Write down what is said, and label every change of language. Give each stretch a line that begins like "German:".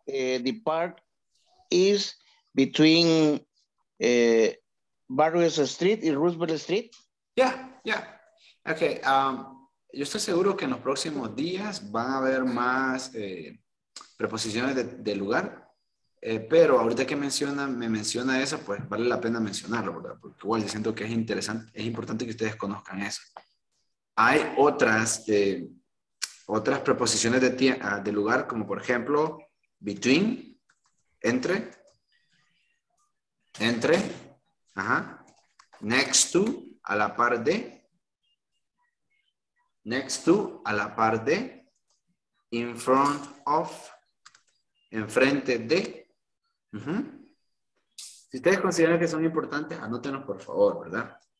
English: the park is between Barrios Street y Roosevelt Street. Yeah. Okay.
Spanish: Yo estoy seguro que en los próximos días van a haber más preposiciones de lugar, pero ahorita que me menciona eso, pues vale la pena mencionarlo, ¿verdad? Porque igual yo siento que es interesante, es importante que ustedes conozcan eso. Hay otras preposiciones de lugar, como por ejemplo, between, entre, ajá, next to, a la par de, next to, a la par de, in front of, enfrente de. Si ustedes consideran que son importantes, anótenos por favor, ¿verdad?